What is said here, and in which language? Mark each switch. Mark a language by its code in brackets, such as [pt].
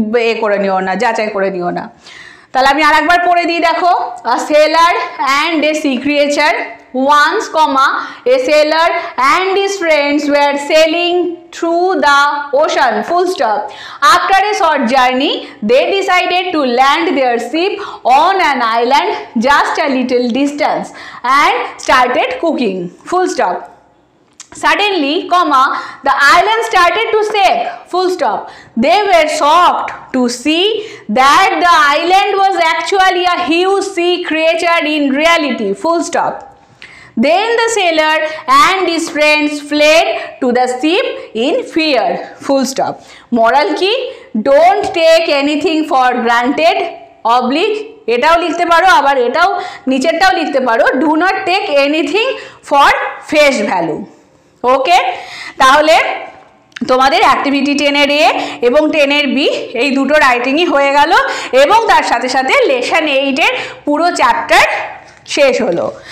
[bn] এ করে নিও না, যাচাই করে নিও না। তাহলে আমি আরেকবার পড়ে দিই, দেখো, [en] A sailor and a sea creature once comma a sailor and his friends were sailing through the ocean full stop. After a short journey they decided to land their ship on an island just a little distance and started cooking full stop. Suddenly, comma, the island started to shake, full stop. They were shocked to see that the island was actually a huge sea creature in reality, full stop. Then the sailor and his friends fled to the ship in fear, full stop. Moral ki, don't take anything for granted, oblique. [bn] এটাও লিখতে পারো, আবার এটাও নিচেরটাও লিখতে পারো, [en] do not take anything for face value. [bn] ওকে, তাহলে তোমাদের activity টেনের এ এবং টেনের বি এই দুটো রাইটিংই হয়ে গেল এবং তার সাথে সাথে লেসন এইটের পুরো চ্যাপ্টার শেষ হলো।